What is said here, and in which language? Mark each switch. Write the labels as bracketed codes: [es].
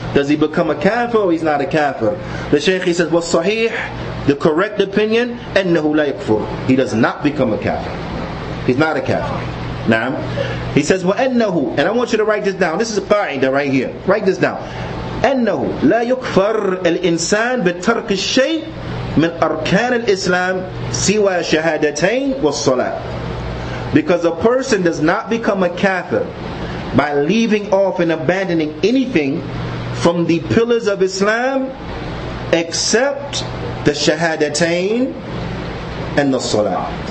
[en] Does he become a kafir or he's not a kafir? The Shaykh, he says, [ar] "Was sahih, [en] the correct opinion, [ar] annahu la yakfur. [en] He does not become a kafir. He's not a kafir. Naam. He says, [ar] "Wa annahu," [en] and I want you to write this down. This is a qa'ida right here. Write this down. [ar] Annahu la yakfur al-insan bi-tark al-shay' من أركان الإسلام سوى شهادتين والصلاة. [en] Because a person does not become a kafir by leaving off and abandoning anything from the pillars of Islam except the shahadatain and the salah.